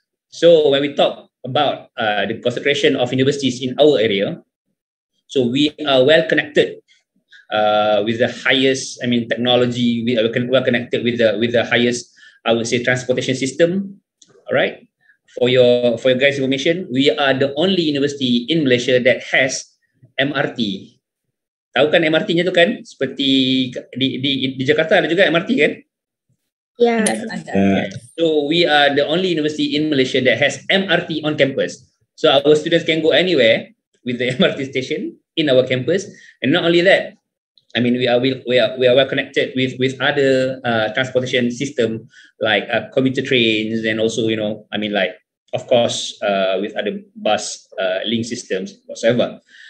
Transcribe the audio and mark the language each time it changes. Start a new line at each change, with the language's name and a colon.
English: So when we talk about the concentration of universities in our area, so we are well connected with the highest, I mean, technology. We are well connected with the highest, I would say, transportation system. All right. For your guys' information, we are the only university in Malaysia that has MRT.
Malay: Tahu kan MRT-nya tu kan? Seperti di Jakarta ada juga MRT kan?
English: Yeah. So we are the only university in Malaysia that has MRT on campus. So our students can go anywhere with the MRT station in our campus. And not only that, I mean, we are well connected with other transportation system like commuter trains, and also, you know, I mean, like, of course, with other bus link systems whatsoever.